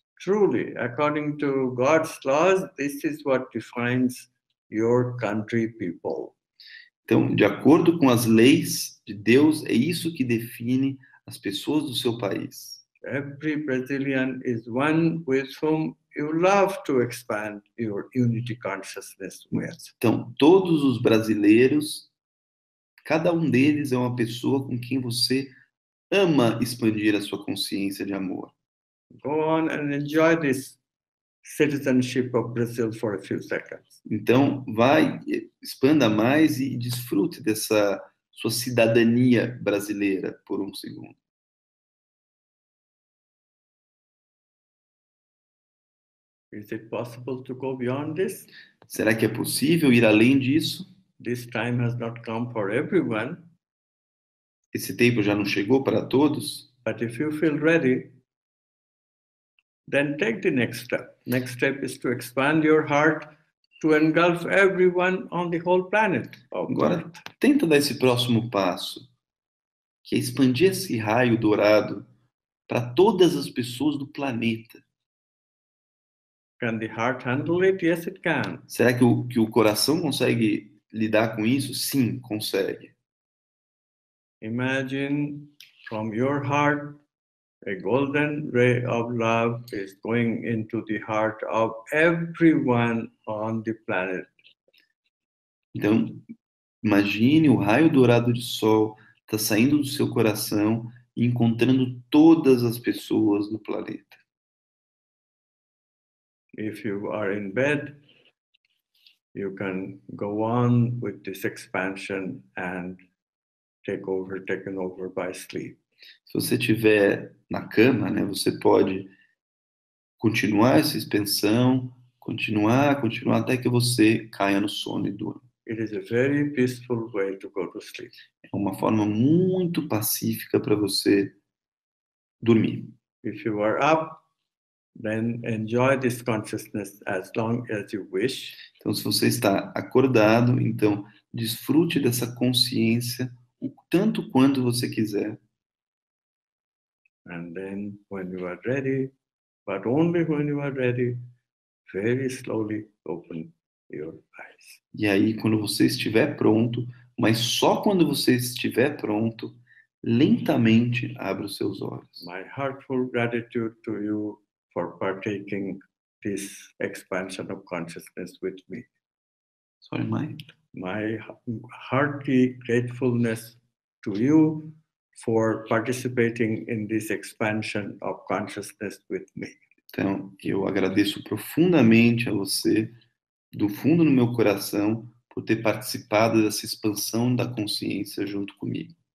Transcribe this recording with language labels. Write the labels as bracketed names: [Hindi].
[English] Truly, according to God's laws, this is what defines your country people. [Portuguese] Então, de acordo com as leis de Deus, é isso que define as pessoas do seu país. [English] Every Brazilian is one with whom you love to expand your unity consciousness with. [Portuguese] Então, todos os brasileiros, cada um deles é uma pessoa com quem você ama expandir a sua consciência de amor. [English] Go on and enjoy this citizenship of Brazil for a few seconds. [Portuguese] Então, vai, expanda mais e desfrute dessa sua cidadania brasileira por 1 segundo. [English] Is it possible to go beyond this? [Portuguese] Será que é possível ir além disso? [English] This time has not come for everyone. [Portuguese] Esse tempo já não chegou para todos. [English] But if you feel ready, then take the next step. Next step is to expand your heart to engulf everyone on the whole planet. [Portuguese] Agora, tenta dar esse próximo passo, que é expandir esse raio dourado para todas as pessoas do planeta. [English] Can the heart handle it? Yes, it can. [Portuguese] Será que o coração consegue lidar com isso? Sim, consegue. [English] Imagine from your heart a golden ray of love is going into the heart of everyone on the planet. [Portuguese] Então, imagine o raio dourado de sol está saindo do seu coração e encontrando todas as pessoas no planeta. [English] If you are in bed, you can go on with this expansion and taken over by sleep. [Portuguese] Se você estiver na cama, né, você pode continuar essa expansão, continuar até que você caia no sono e durma. [English] It is a very peaceful way to go to sleep. [Portuguese] É uma forma muito pacífica para você dormir. [English] If you are up, Then enjoy this consciousness as long as you wish. [Portuguese] Então, se você está acordado, então desfrute dessa consciência o tanto quanto você quiser. [English] And then when you are ready, but only when you are ready, very slowly open your eyes. [Portuguese] E aí, quando você estiver pronto, mas só quando você estiver pronto, lentamente abra os seus olhos. [English] My heartfelt gratitude to you for partaking this expansion of consciousness with me. Sorry, my hearty gratefulness to you for participating in this expansion of consciousness with me. [Portuguese] Então, eu agradeço profundamente a você, do fundo do meu coração, por ter participado dessa expansão da consciência junto comigo.